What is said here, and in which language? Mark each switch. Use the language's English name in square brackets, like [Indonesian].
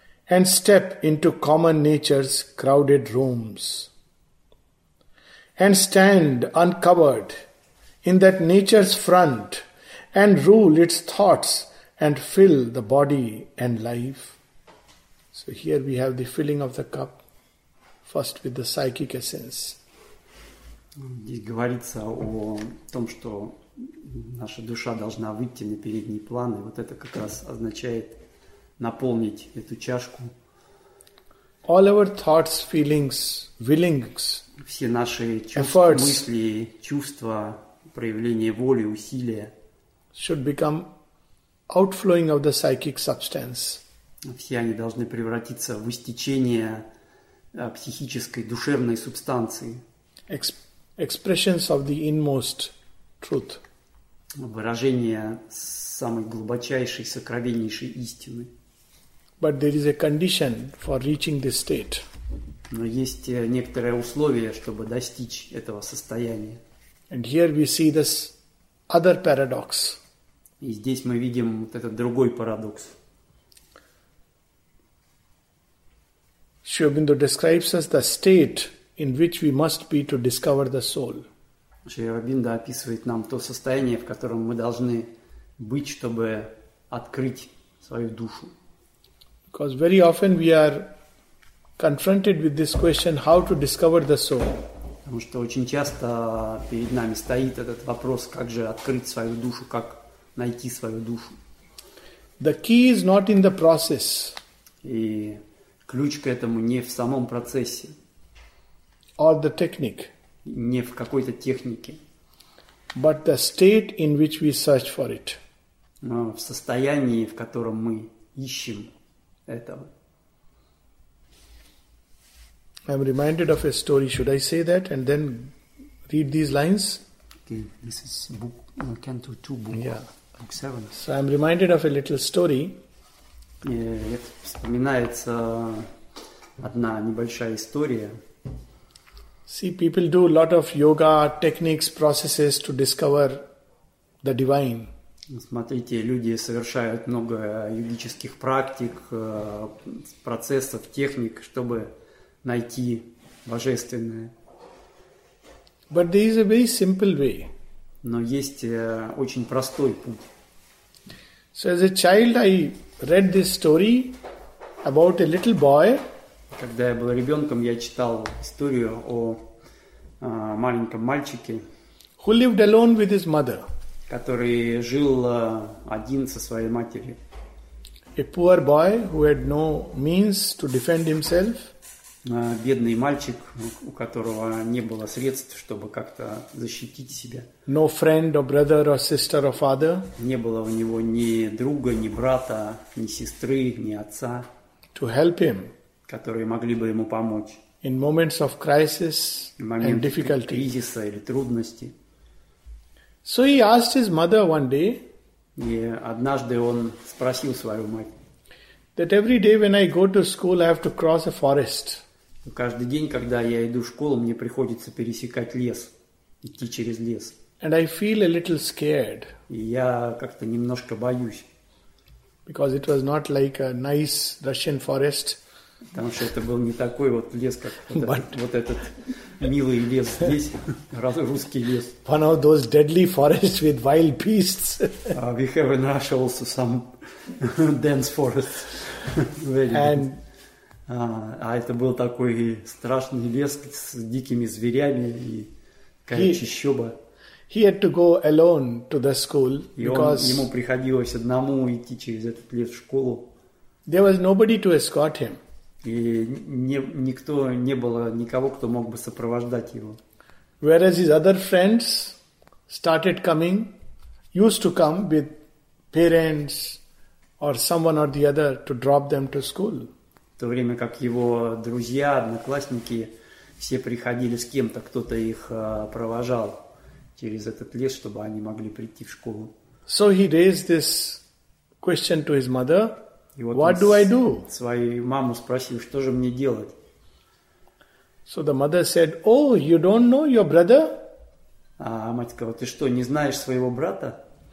[English] and step into common nature's crowded rooms and stand uncovered in that nature's front and rule its thoughts and fill the body and life. So here we have the filling of the cup, first with the psychic essence. [Russian] Здесь говорится о том, что наша душа должна выйти на передний план, и вот это как раз означает наполнить эту чашку. [English] All our thoughts, feelings, willings, [Russian] все наши чувства, мысли, чувства, проявление воли, усилия [English] should become outflowing of the psychic substance. [Russian] Все они должны превратиться в истечение психической, душевной субстанции. [English] Expressions of the inmost truth. [Russian] Выражение самой глубочайшей, сокровеннейшей истины. [English] But there is a condition for reaching this state. [Russian] Но есть некоторое условие, чтобы достичь этого состояния. [English] And here we see this other paradox. [Russian] И здесь мы видим вот этот другой парадокс. [English] Sri Aurobindo describes us the state in which we must be to discover the soul. [Russian] Sri Aurobindo описывает нам то состояние, в котором мы должны быть, чтобы открыть свою душу. [English] Because very often we are confronted with this question, how to discover the soul. [Russian] Потому что очень часто перед нами стоит этот вопрос, как же открыть свою душу, как найти свою душу. [English] The key is not in the process. [Russian] И ключ к этому не в самом процессе. [English] Or the technique. [Russian] Не в какой-то технике. [English] But the state in which we search for it. [Russian] Но в состоянии, в котором мы ищем этого. [English] I'm reminded of a story. Should I say that and then read these lines? Okay, this is book, Canto 2, book, yeah. Book 7. So I'm reminded of a little story. [Russian] Это вспоминается одна небольшая история. [English] See, people do a lot of yoga techniques, processes to discover the divine. [Russian] Смотрите, люди совершают много йогических практик, процессов, техник, чтобы найти божественное. [English] But there is a very simple way. [Russian] Но есть очень простой путь. [English] So as a child, I read this story about a little boy. [Russian] Когда я был ребенком, я читал историю о маленьком мальчике, [English] who lived alone with his mother, [Russian] который жил один со своей матерью. [English] A poor boy who had no means to defend himself. [Russian] Бедный мальчик, у которого не было средств, чтобы как-то защитить себя. [English] No friend or brother or sister or father. [Russian] Не было у него ни друга, ни брата, ни сестры, ни отца. [English] To help him. [Russian] Которые могли бы ему помочь. [English] In moments of crisis and difficulty. [Russian] В моменты кризиса или трудности. [English] So he asked his mother one day. [Russian] И однажды он спросил свою мать. [English] That every day when I go to school, I have to cross a forest. [Russian] Каждый день, когда я иду в школу, мне приходится пересекать лес, идти через лес. [English] And I feel a little scared. [Russian] И я как-то немножко боюсь. [English] Because it was not like a nice Russian forest. [Russian] Потому что это был не такой вот лес, как вот этот милый лес здесь, русский лес. [English] One of those deadly forests with wild beasts. We have in Russia also some dense forests. And [Russian] это был такой страшный лес с дикими зверями и какая чищоба. [English] He had to go alone to the school. [Russian] Ему приходилось одному идти через этот лес в школу. [English] There was nobody to escort him. [Russian] И никто не было никого, кто мог бы сопровождать его. [English] Whereas his other friends started coming, used to come with parents or someone or the other to drop them to school. [Russian] В то время как его друзья, одноклассники, все приходили с кем-то, кто-то их провожал через этот лес, чтобы они могли прийти в школу. [English] So he raised this question to his mother. [Russian] И вот [English] what do I do? [Russian] Свою маму спросил, что же мне делать? [English] So the mother said, "Oh, you don't know your brother?" [Russian] А мать сказала, ты что, не знаешь своего брата?